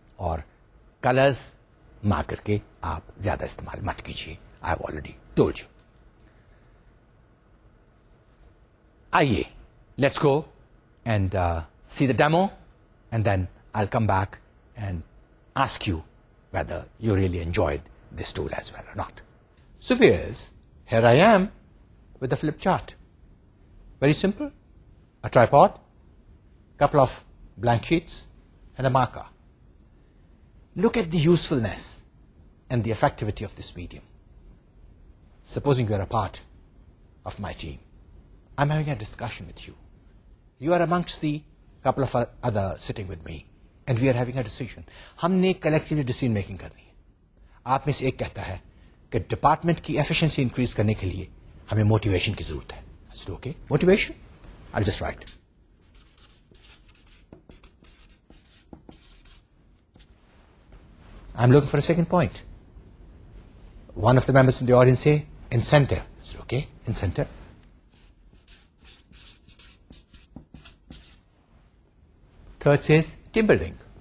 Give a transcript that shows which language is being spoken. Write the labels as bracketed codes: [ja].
[ur] اور colours marker کے آپ زیادہ استعمال مت کیجیے [en] I have already told you آئیے let's go and see the demo and then I come back and ask you whether you really enjoyed this tool as well or not. So viewers, here I am with the flip chart. Very simple. A tripod, couple of blank sheets, and a marker. Look at the usefulness and the effectivity of this medium. Supposing you are a part of my team. I'm having a discussion with you. You are amongst the couple of other sitting with me. And we are having a decision. [ur] ہم نے collectively decision making کرنی ہے. آپ میں سے ایک کہتا ہے کہ ڈپارٹمنٹ کی ایفیشنسی انکریز کرنے کے لیے ہمیں موٹیویشن کی ضرورت ہے. [en] Okay motivation I just right I am looking for a second point one of the members in the audience سے incentive okay incentive Third says team building.